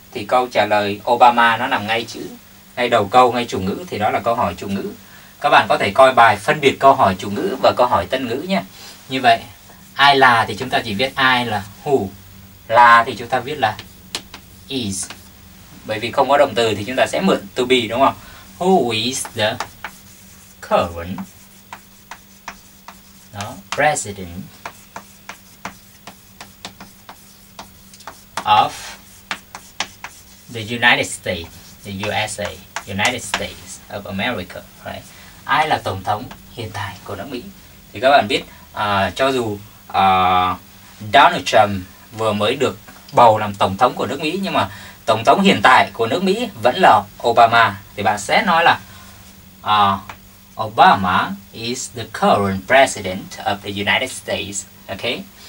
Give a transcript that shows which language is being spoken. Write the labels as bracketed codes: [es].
[vi] Thì câu trả lời Obama nó nằm ngay chữ, ngay đầu câu, ngay chủ ngữ, thì đó là câu hỏi chủ ngữ. Các bạn có thể coi bài phân biệt câu hỏi chủ ngữ và câu hỏi tân ngữ nhé. Như vậy, ai là thì chúng ta chỉ viết ai là who. Là thì chúng ta viết là is. Bởi vì không có động từ thì chúng ta sẽ mượn to be, đúng không? [en] Who is the current president of the United States, the USA, United States of America, right? [vi] Ai là tổng thống hiện tại của nước Mỹ? Thì các bạn biết, cho dù Donald Trump vừa mới được bầu làm tổng thống của nước Mỹ, nhưng mà tổng thống hiện tại của nước Mỹ vẫn là Obama. Thì bạn sẽ nói là [en] Obama is the current president of the United States. Okay.